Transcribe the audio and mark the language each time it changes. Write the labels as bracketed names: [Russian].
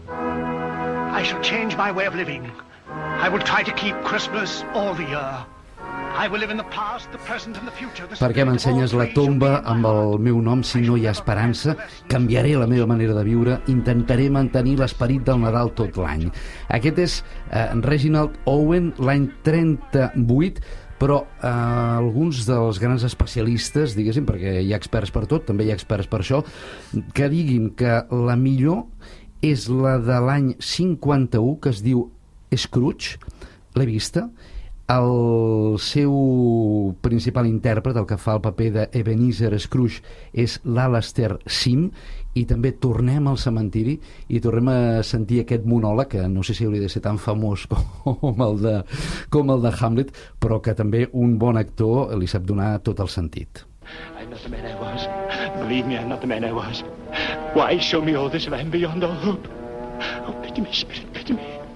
[English] I shall change my way of living. I will try to keep Christmas all the year. I will live in the past, the present and the future. [Catalan] Per què m'ensenyes la tomba amb el meu nom si no hi ha esperança? Canviaré la meva manera de viure, intentaré mantenir l'esperit del Nadal tot l'any. Aquest és Reginald Owen, l'any 38, però alguns dels grans especialistes, diguéssim, perquè hi ha experts per tot, també hi ha experts per això, que diguin que la millor és la de l'any 51, que es diu Scrooge, l'he vista. El seu principal intèrpret, el que fa el paper d'Ebenezer Scrooge, és l'Alastair Sim, i també tornem al cementiri i tornem a sentir aquest monòleg, que no sé si hauria de ser tan famós com el de Hamlet, però que també un bon actor li sap donar tot el sentit. [English] I'm not the man I was. Believe me, I'm not the man I was. Why show me all this if I'm beyond all hope? Oh, pity me, spirit, pity me.